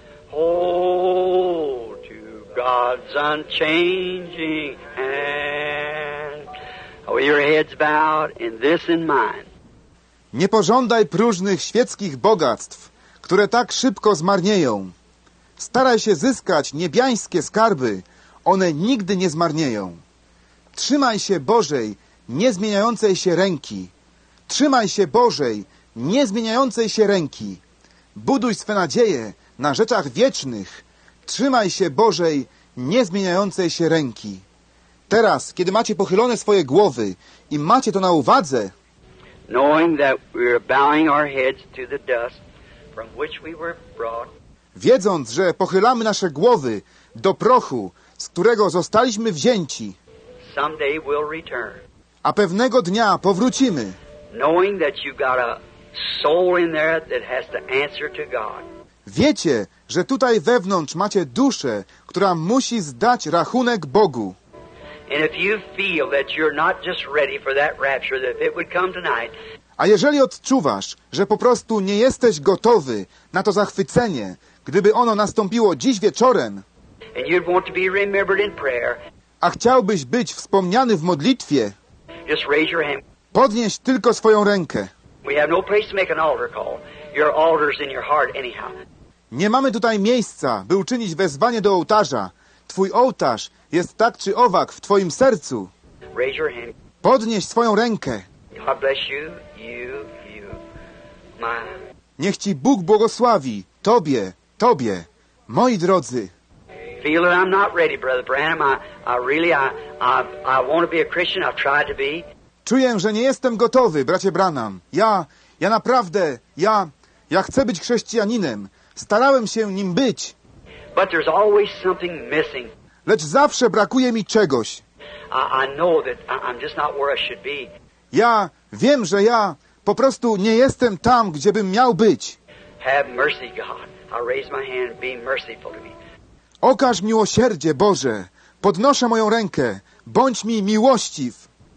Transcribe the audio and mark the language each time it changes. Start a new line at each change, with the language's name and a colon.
English: Hold to God's unchanging hand. With your heads bowed in this in mind.
Polish: Nie pożądaj próżnych świeckich bogactw, które tak szybko zmarnieją. Staraj się zyskać niebiańskie skarby, one nigdy nie zmarnieją. Trzymaj się Bożej niezmieniającej się ręki. Trzymaj się Bożej niezmieniającej się ręki. Buduj swe nadzieje na rzeczach wiecznych. Trzymaj się Bożej niezmieniającej się ręki. Teraz, kiedy macie pochylone swoje głowy i macie to na uwadze,
English: knowing that we're bowing our heads to the dust from which we were brought.
Polish: Wiedząc, że pochylamy nasze głowy do prochu, z którego zostaliśmy wzięci,
English: someday we'll return.
Polish: A pewnego dnia powrócimy,
English: knowing that you've got a soul in there that has to answer to God.
Polish: Wiecie, że tutaj wewnątrz macie duszę, która musi zdać rachunek Bogu.
English: And if you feel that you're not just ready for that rapture, that if it would come tonight.
Polish: A jeżeli odczuwasz, że po prostu nie jesteś gotowy na to zachwycenie, gdyby ono nastąpiło dziś wieczorem,
English: and you'd want to be remembered in prayer,
Polish: a chciałbyś być wspomniany w modlitwie,
English: just raise your hand.
Polish: Podnieś tylko swoją rękę.
English: We have no place to make an altar call. Your altar's in your heart anyhow.
Polish: Nie mamy tutaj miejsca, by uczynić wezwanie do ołtarza. Twój ołtarz jest tak czy owak w twoim sercu.
English: Raise your hand.
Polish: Podnieś swoją rękę.
English: God bless you. You,
Polish: niech ci Bóg błogosławi tobie, moi drodzy.
English: Feel that I'm not ready, Brother Branham. I really want to be a Christian. I've tried to be.
Polish: Czuję, że nie jestem gotowy, bracie Branham. Ja naprawdę chcę być chrześcijaninem. Starałem się nim być.
English: But there's always something missing.
Polish: Lecz zawsze brakuje mi czegoś.
English: I know that I'm just not where I should be.
Polish: Ja wiem, że ja po prostu nie jestem tam, gdzie bym miał być.
English: Have mercy, God. I raise my hand. Be merciful to me.
Polish: Okaż miłosierdzie, Boże. Podnoszę moją rękę. Bądź mi miłościw.